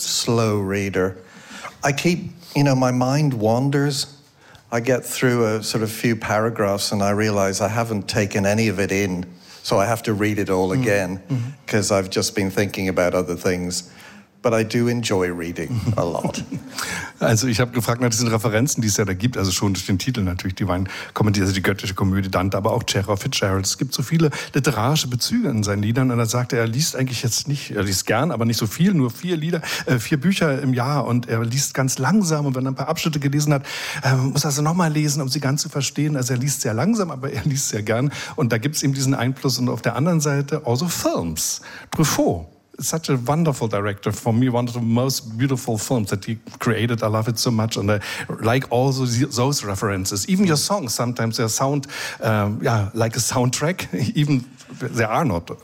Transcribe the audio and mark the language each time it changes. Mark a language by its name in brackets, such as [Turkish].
[English] Slow reader. I keep, my mind wanders. I get through a sort of few paragraphs and I realize I haven't taken any of it in, so I have to read it all again because I've just been thinking about other things. But I do enjoy reading a lot. [German] Also ich habe gefragt nach diesen Referenzen, die es ja da gibt, also schon durch den Titel natürlich, die Divine Comedy, also die göttliche Komödie, Dante, aber auch Chekhov, Fitzgerald. Es gibt so viele literarische Bezüge in seinen Liedern und er sagte, er liest eigentlich jetzt nicht, er liest gern, aber nicht so viel, nur 4 Bücher im Jahr und er liest ganz langsam und wenn er ein paar Abschnitte gelesen hat, muss er also nochmal lesen, um sie ganz zu verstehen. Also er liest sehr langsam, aber er liest sehr gern und da gibt es eben diesen Einfluss und auf der anderen Seite also Films, Truffaut. [English] Such a wonderful director, for me, one of the most beautiful films that he created. I love it so much, and I like all those references. Even your songs, sometimes they sound like a soundtrack, even they are not.